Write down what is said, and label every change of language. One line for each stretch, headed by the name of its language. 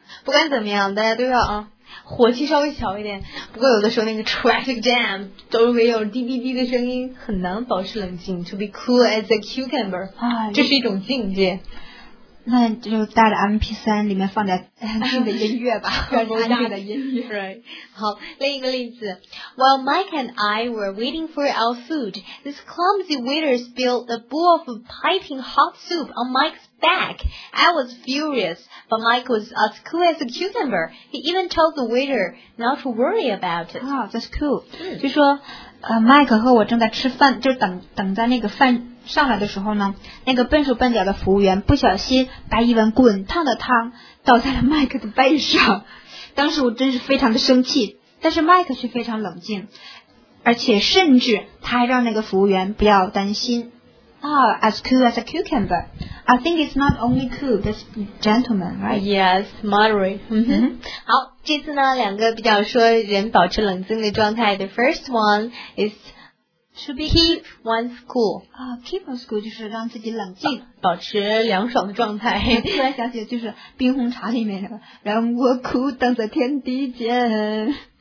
Chinese: 不管怎么样，大家都要啊火气稍微小一点，不过有的时候那个 traffic jam 周围有滴滴滴的声音，很难保持冷静
English: to be cool as a cucumber、哎、
Chinese: 这是一种境界。那就带着 MP3 里面放点听的音乐吧，安静的音乐。
English: Right.
Chinese: 好，另一个例子。
English: While Mike and I were waiting for our food, this clumsy waiter spilled a bowl of piping hot soup on Mike's back. I was furious, but Mike was as cool as a cucumber. He even told the waiter not to worry about it. Wow, that's cool.
Chinese: 就说Mike 和我正在吃饭，就等在那个饭上来的时候呢，那个笨手笨脚的服务员不小心把一碗滚烫的汤倒在了 Mike 的背上，当时我真是非常的生气，但是 Mike 却非常冷静，而且甚至他还让那个服务员不要担心。
English: Oh, as cool as a cucumber. I think it's not only cool, that's gentleman, right? Yes, moderate.、Mm-hmm.
Chinese: 好，这次呢，两个比较说人保持冷静的状态。
English: The first one is to be keep one's cool. Keep one's cool
Chinese: 就是让自己冷静，保持凉爽的状态。突然想起就是冰红茶里面的，让我 cool 等着天地间。